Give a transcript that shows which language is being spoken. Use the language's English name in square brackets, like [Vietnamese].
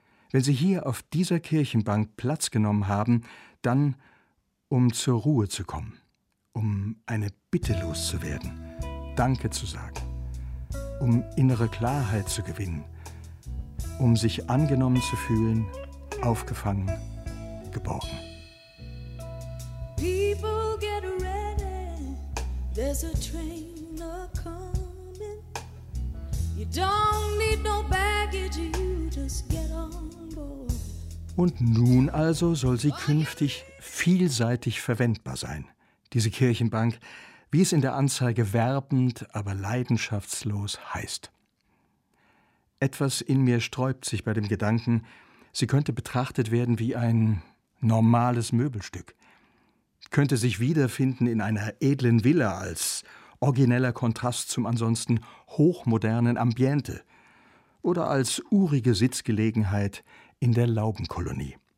[German] Wenn sie hier auf dieser Kirchenbank Platz genommen haben, dann um zur Ruhe zu kommen, um eine Bitte loszuwerden, Danke zu sagen, um innere Klarheit zu gewinnen, um sich angenommen zu fühlen, aufgefangen, geborgen. [English] People get ready, there's a train a-coming. You don't need no baggage, you just get on board. [German] Und nun also soll sie künftig vielseitig verwendbar sein, diese Kirchenbank, wie es in der Anzeige werbend, aber leidenschaftslos heißt. Etwas in mir sträubt sich bei dem Gedanken, sie könnte betrachtet werden wie ein normales Möbelstück, könnte sich wiederfinden in einer edlen Villa als origineller Kontrast zum ansonsten hochmodernen Ambiente oder als urige Sitzgelegenheit in der Laubenkolonie.